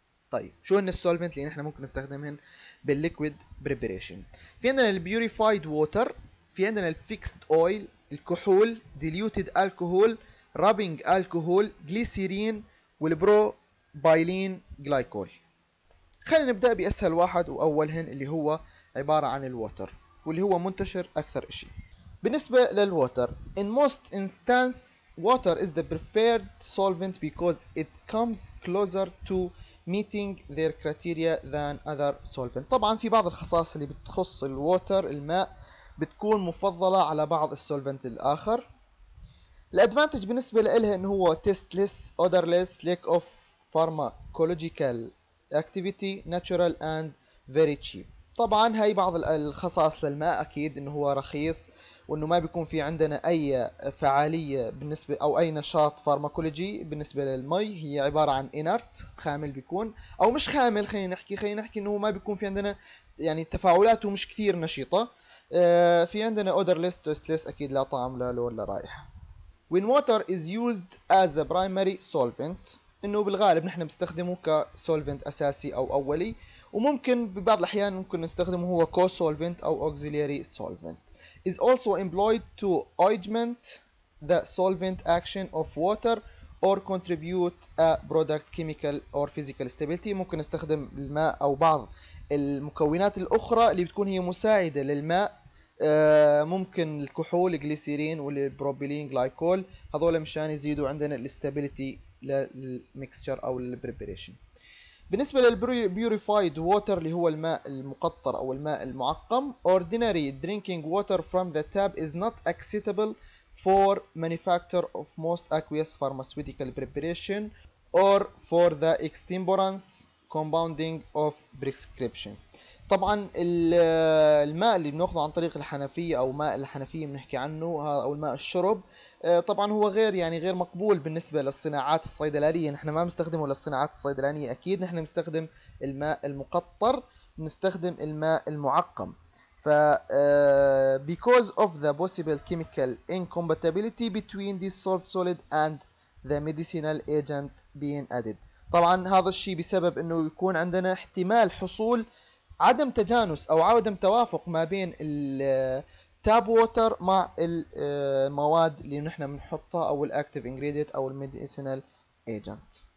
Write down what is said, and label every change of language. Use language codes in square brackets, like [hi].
[ar] طيب شو هن السولفنت اللي نحن ممكن نستخدمهن بالليكويد بريبريشن؟ في عندنا البيوريفايد ووتر، في عندنا الفيكسد اويل، الكحول، ديليوتد الكحول، رابينج الكحول، جليسيرين، والبرو بايلين جلايكول. خلينا نبدا باسهل واحد واولهن اللي هو عباره عن الووتر واللي هو منتشر اكثر شيء. بالنسبه للووتر، [en] in most instance water is the preferred solvent because it comes closer to meeting their criteria than other solvent. [ar] طبعا في بعض الخصائص اللي بتخص الووتر الماء بتكون مفضله على بعض السولفنت الاخر. الادفانتج بالنسبة لها ان هو [en] Tasteless, odourless, lack of pharmacological activity, natural and very cheap. [ar] طبعا هاي بعض الخصائص للماء، اكيد انه هو رخيص، وانه ما بيكون في عندنا اي فعالية بالنسبة او اي نشاط فارماكولوجي بالنسبة للمي، هي عبارة عن انرت خامل بيكون، او مش خامل، خلينا نحكي انه ما بيكون في عندنا يعني تفاعلاته مش كثير نشيطة. في عندنا [en] odorless tasteless، [ar] اكيد لا طعم لا لون لا رائحة. [en] when water is used as the primary solvent، [ar] انه بالغالب نحن بنستخدمه كسولفنت اساسي او اولي، وممكن ببعض الاحيان ممكن نستخدمه هو كو سولفنت او اوكسيلياري سولفنت. [en] is also employed to augment the solvent action of water or contribute a product chemical or physical stability. [ar] ممكن نستخدم الماء او بعض المكونات الاخرى اللي بتكون هي مساعده للماء، ممكن الكحول الجليسيرين والبروبيلين جلايكول، هذول مشان يزيدوا عندنا الاستابيليتي للميكستشر او البريبريشن. بالنسبة للبيوريفايد ووتر اللي هو الماء المقطر او الماء المعقم، [en] ordinary drinking water from the tap is not acceptable for manufacture of most aqueous pharmaceutical preparation or for the extemporance compounding of prescription. [ar] طبعا الماء اللي بناخذه عن طريق الحنفيه او ماء الحنفيه بنحكي عنه او الماء الشرب، طبعا هو غير يعني غير مقبول بالنسبه للصناعات الصيدلانيه، نحن ما بنستخدمه للصناعات الصيدلانيه اكيد، نحن بنستخدم الماء المقطر، بنستخدم الماء المعقم. [en] ف because of the possible chemical incompatibility between dissolved solid and the medicinal agent being added. [ar] طبعا هذا الشيء بسبب انه يكون عندنا احتمال حصول عدم تجانس او عدم توافق ما بين التاب ووتر مع المواد اللي نحن بنحطها او الاكتيف انجريدينت او الميديسينال ايجنت.